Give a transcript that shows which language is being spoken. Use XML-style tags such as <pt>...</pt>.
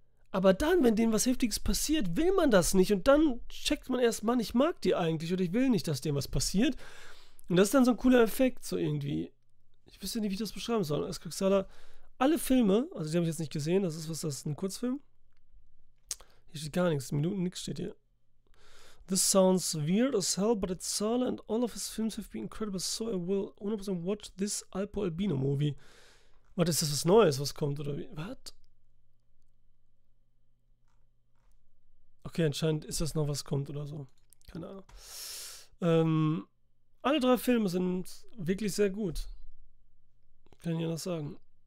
<de>Aber dann, wenn denen was Heftiges passiert, will man das nicht. Und dann checkt man erst, Mann, ich mag die eigentlich oder ich will nicht, dass denen was passiert. Und das ist dann so ein cooler Effekt, so irgendwie. Ich wüsste nicht, wie ich das beschreiben soll. Als Kruxala, alle Filme, also die habe ich jetzt nicht gesehen, das ist ein Kurzfilm. Hier steht gar nichts, Minuten, nichts steht hier.</de> <en>This sounds weird as hell, but it's Zahler and all of his films have been incredible, so I will 100% watch this Alpo Albino movie.</en> <de>Warte, ist das was Neues, was kommt, oder wie? Was? Okay, anscheinend ist das noch, was kommt, oder so. Keine Ahnung. Alle drei Filme sind wirklich sehr gut. Kann ich ja noch sagen.</de>